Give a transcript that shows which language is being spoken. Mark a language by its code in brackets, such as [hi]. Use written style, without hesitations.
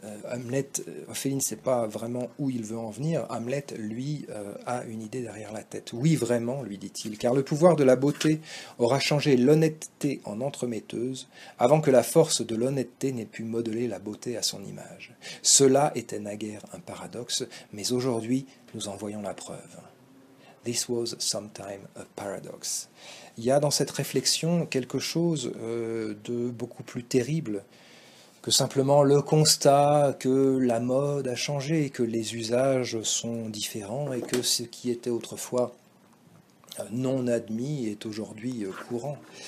[fr] Hamlet, Ophélie ne sait pas vraiment où il veut en venir. Hamlet, lui, a une idée derrière la tête. Oui, vraiment, lui dit-il, car le pouvoir de la beauté aura changé l'honnêteté en entremetteuse avant que la force de l'honnêteté n'ait pu modeler la beauté à son image. Cela était naguère un paradoxe, mais aujourd'hui, nous en voyons la preuve. [en] This was sometime a paradox. [fr] Il y a dans cette réflexion quelque chose de beaucoup plus terrible que simplement le constat que la mode a changé, que les usages sont différents et que ce qui était autrefois non admis est aujourd'hui courant.